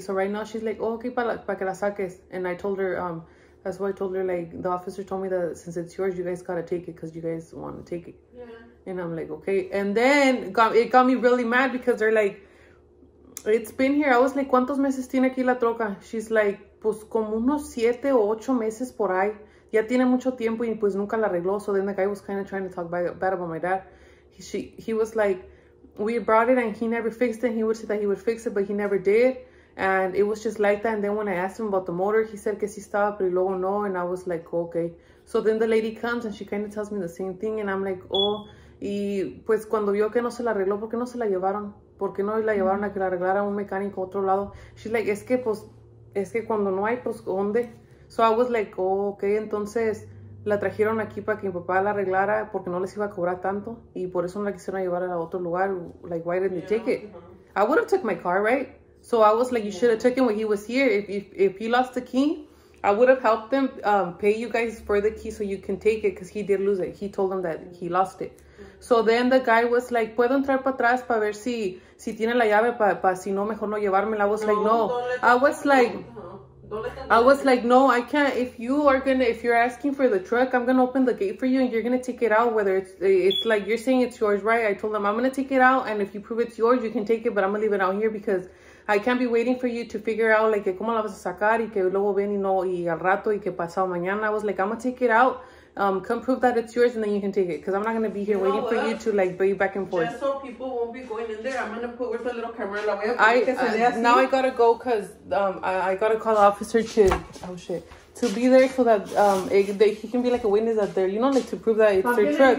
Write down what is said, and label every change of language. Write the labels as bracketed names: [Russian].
[English] So right now she's like, oh, okay, [Spanish] para que la saques. [English] And I told her, that's why I told her, like, the officer told me that since it's yours, you guys got to take it because you guys want to take it. Yeah. And I'm like, okay. And then it got me really mad because they're like, it's been here. I was like, [Spanish] ¿cuántos meses tiene aquí la troca? [English] She's like, [Spanish] pues como unos 7 o 8 meses por ahí. Ya tiene mucho tiempo y pues nunca la arregló. [English] So then the guy was kind of trying to talk bad about my dad. He was like, we brought it and he never fixed it. He would say that he would fix it, but he never did. And it was just like that. And then when I asked him about the motor, he said [Spanish] que sí estaba, pero luego no. [English] And I was like, okay. So then the lady comes and she kind of tells me the same thing. And I'm like, oh, [Spanish] y pues cuando vio que no se la arregló, ¿por qué no se la llevaron? ¿Por qué no la llevaron a que la arreglara un mecánico a otro lado? [English] She's like, [Spanish] es que pues... es que cuando no hay, pues, ¿dónde? [English] So I was like, oh, okay, [Spanish] entonces la trajeron aquí para que mi papá la arreglara porque no les iba a cobrar tanto y por eso no la quisieron llevar a otro lugar. [English] Like, why didn't they take it? I would have took my car, right? So I was like, you should have taken when he was here. If he lost the key, I would have helped them pay you guys for the key so you can take it because he did lose it. He told them that he lost it. So then the guy was like, [Spanish] ¿puedo entrar para atrás para ver si tiene la llave, pa si no, mejor no llevármela? [English] I was like, no. I was like, no, I can't. If you're asking for the truck, I'm going to open the gate for you and you're going to take it out. Whether it's like you're saying it's yours, right? I told them I'm going to take it out. And if you prove it's yours, you can take it. But I'm going to leave it out here because I can't be waiting for you to figure out, like, [Spanish] ¿cómo la vas a sacar? Y que luego ven y no, y al rato, y que pasado mañana. [English] I was like, I'm going to take it out. Come prove that it's yours and then you can take it because I'm not going to be here waiting for you to like be back and forth just so people won't be going in there. I'm going to put with a little camera la way now. I gotta go because I gotta call the officer to be there so that he can be like a witness out there, you know, like to prove that it's your truck.